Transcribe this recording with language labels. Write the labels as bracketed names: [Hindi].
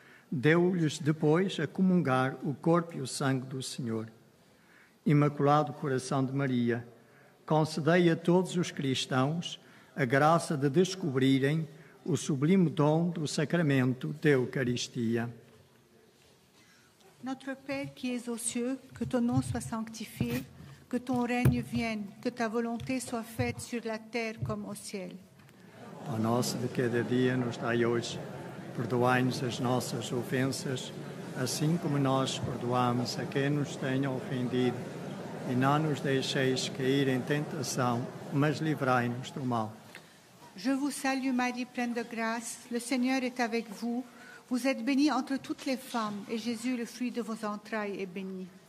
[Portuguese] Deu-lhes depois a comungar o corpo e o sangue do Senhor. Imaculado Coração de Maria, concedei a todos os cristãos a graça de descobrirem o sublime dom do Sacramento da Eucaristia. [French] Notre Père qui es aux cieux, que ton nom soit sanctifié, que ton règne vienne, que ta volonté soit faite sur la terre comme au ciel. [Portuguese] Pão nosso de cada dia nos dai hoje, perdoai-nos as nossas ofensas, assim como nós perdoamos a quem nos tenha ofendido, e não nos deixeis cair em tentação, mas livrai-nos do mal. [French] Je vous salue Marie, pleine de grâce, le Seigneur est avec vous. Vous êtes bénie entre toutes les femmes, et Jésus, le fruit de vos entrailles, est béni.